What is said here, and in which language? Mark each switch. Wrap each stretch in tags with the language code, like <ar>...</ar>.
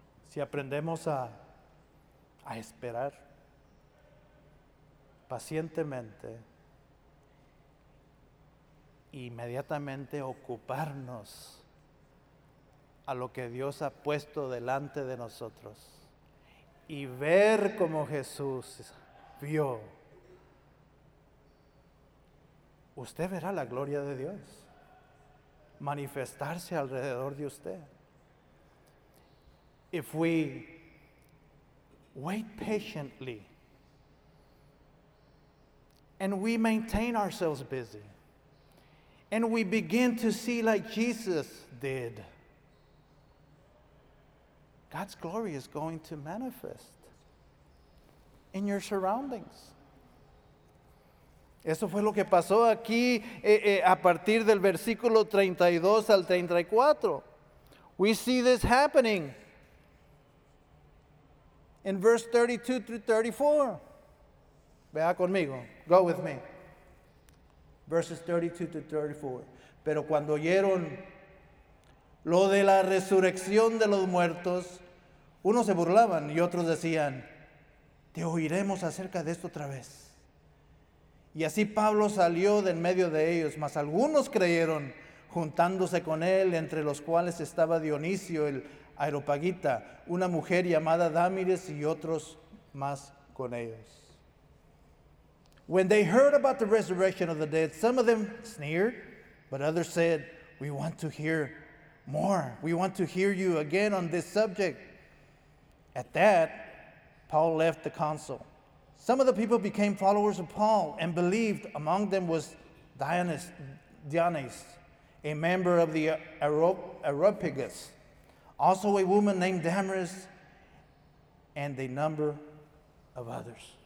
<es>Si aprendemos a esperar pacientemente, inmediatamente ocuparnos a lo que Dios ha puesto delante de nosotros y ver como Jesús vio, usted verá la gloria de Dios manifestarse alrededor de usted.</es> <en>If we wait patiently and we maintain ourselves busy and we begin to see like Jesus did, God's glory is going to manifest in your surroundings.</en> <es>Eso fue lo que pasó aquí a partir del versículo 32 al 34.</es> <en>We see this happening in verse 32 through 34.</en> <es>Vea conmigo.</es> <en>Go with me. Verses 32 to 34.</en> <es>Pero cuando oyeron lo de la resurrección de los muertos, unos se burlaban y otros decían, te oiremos acerca de esto otra vez. Y así Pablo salió de en medio de ellos, mas algunos creyeron, juntándose con él, entre los cuales estaba Dionisio el Areopagita, una mujer llamada Damiris y otros más con ellos.</es> <en>When they heard about the resurrection of the dead, some of them sneered, but others said, we want to hear more. We want to hear you again on this subject. At that, Paul left the council. Some of the people became followers of Paul and believed. Among them was Dionysus, a member of the Areopagus, also a woman named Damaris, and a number of others.</en>